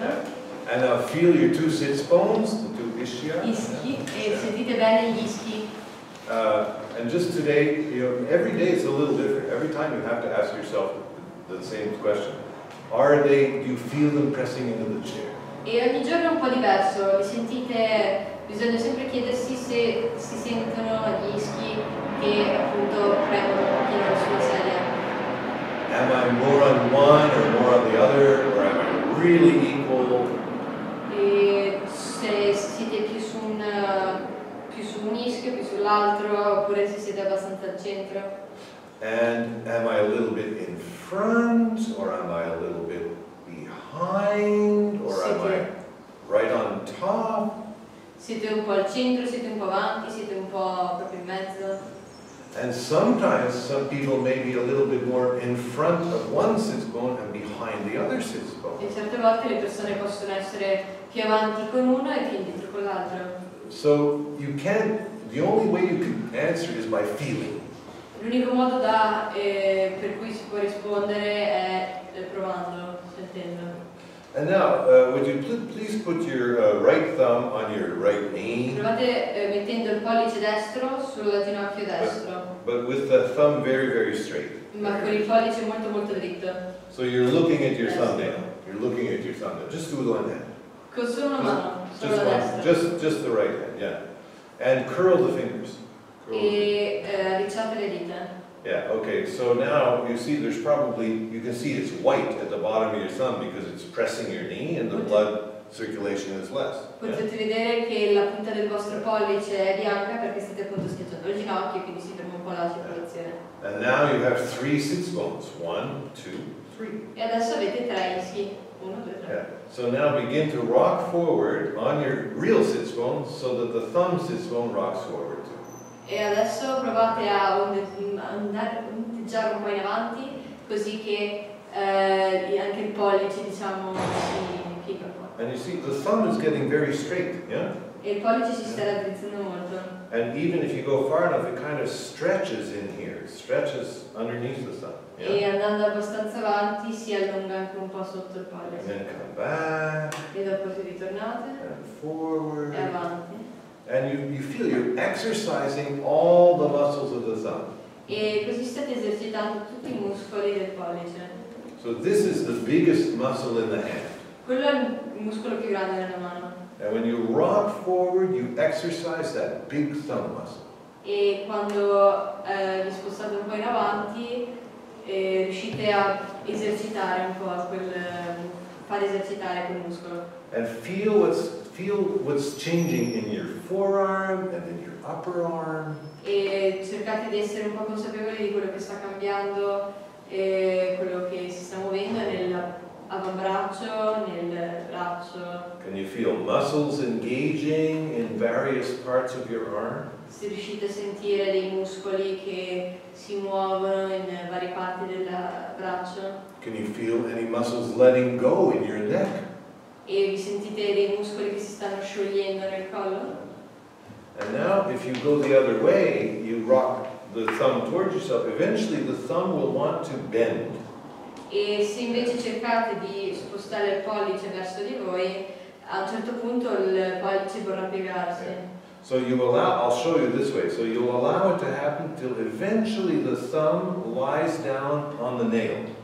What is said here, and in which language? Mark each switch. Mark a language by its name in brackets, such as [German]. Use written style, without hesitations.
[English] Yeah. And now feel your two sit bones, the two ischia. [Italian] Ischi, e sentite bene gli ischi. [English] And just today, you know, every day is a little different. Every time you have to ask yourself the same question. Are they, do you feel them pressing into the chair? [Italian] E ogni giorno è un po' diverso. Vi sentite, bisogna sempre chiedersi se si sentono gli ischi che appunto premono sulla sedia. [English] Am I more on one or more on the other? Or am I really equal? [Italian] E se siete più su un ischio, più sull'altro, oppure se siete abbastanza al centro. [English] And am I a little bit in front or am I a little bit behind or [Italian] siete, [English] am I right on top? [Italian] Siete un po' al centro, siete un po' avanti, siete un po' proprio in mezzo. [English] And sometimes some people may be a little bit more in front of one sit bone and behind the other sit bone. [Italian] E certe volte le persone possono essere più avanti con uno e più indietro con l'altro. [English] So you can't, the only way you can answer is by feeling. [Italian] L'unico modo da per cui si può rispondere è provando, sentendo. [English] And now, would you please put your right thumb on your right knee? [Italian] Provate mettendo il pollice destro sulla ginocchio destro. [English] But with the thumb very, very straight. [Italian] Ma con il pollice molto, molto dritto. [English] So you're looking at your thumb now. You're looking at your thumb now. Just do one hand. [Italian] Con solo una mano, solo [English] just [Italian] la destra. [English] Just the right hand, yeah. And curl the fingers. [Italian] Ricciate le dita. [English] Yeah, okay, so now you see there's probably, you can see it's white at the bottom of your thumb because it's pressing your knee and the blood circulation is less. [Italian] Potete vedere che la punta del vostro pollice è bianca perché state appunto schiacciando il ginocchio e quindi si ferma un po' la circolazione. [English] And now you have three sit bones. One, two, three. [Italian] E adesso avete tre ischi. Uno, due, tre. [English] Yeah. So now begin to rock forward on your real sit bone so that the thumb sit bone rocks forward. [Italian] E adesso provate a ondeggiare un po' in avanti, così che anche il pollice, diciamo, si piega un po'. [English] And you see, the thumb is getting very straight, yeah? [Italian] E il pollice si sta raddrizzando molto. [English] And even if you go far enough, it kind of stretches in here, stretches underneath the thumb. Yeah? [Italian] E andando abbastanza avanti, si allunga anche un po' sotto il pollice. [English] And then come back. [Italian] E dopo si ritornate. [English] And forward. [Italian] E avanti. [English] And you feel you're exercising all the muscles of the thumb. [Italian] E così state esercitando tutti i muscoli del pollice. [English] So this is the biggest muscle in the hand. [Italian] Quello è il muscolo più grande nella mano. [English] And when you rock forward, you exercise that big thumb muscle. [Italian] E quando vi spostate un po' in avanti, riuscite a esercitare un po' far esercitare quel muscolo. [English] And feel what's changing in your forearm and in your upper arm. [Italian] E cercate di essere un po' consapevoli di quello che sta cambiando e quello che si sta muovendo nel avambraccio, nel braccio. [English] Can you feel muscles engaging in various parts of your arm? [Italian] Se riuscite a sentire dei muscoli che si muovono in varie parti del braccio? [English] Can you feel any muscles letting go in your neck? [Italian] E vi sentite dei muscoli che si stanno sciogliendo nel collo? [English] And now, if you go the other way, you rock the thumb towards yourself, eventually the thumb will want to bend. [Italian] E se invece cercate di spostare il pollice verso di voi, a un certo punto il pollice vorrà piegarsi. [English] Okay. So you allow, I'll show you this way, so you'll allow it to happen till eventually the thumb lies down on the nail.